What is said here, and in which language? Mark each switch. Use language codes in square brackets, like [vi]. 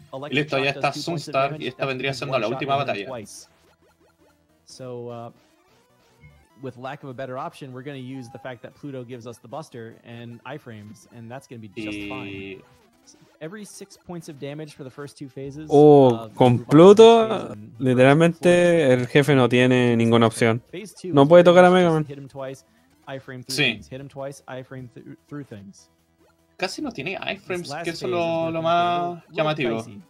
[es] Y listo, ya está Sunstar, y esta vendría siendo la última batalla. [en] So, with lack of a better option, we're going to use the fact that Pluto gives us the buster and iframes, and that's going to be just fine. Every 6 points of damage for the first 2 phases. [es] Oh, con Pluto, literalmente el jefe no tiene ninguna opción. No puede tocar a Mega Man. [en] Hit him twice, iframe through things. Hit him twice, iframe through things. [es] Casi no tiene iframes, que es lo más llamativo.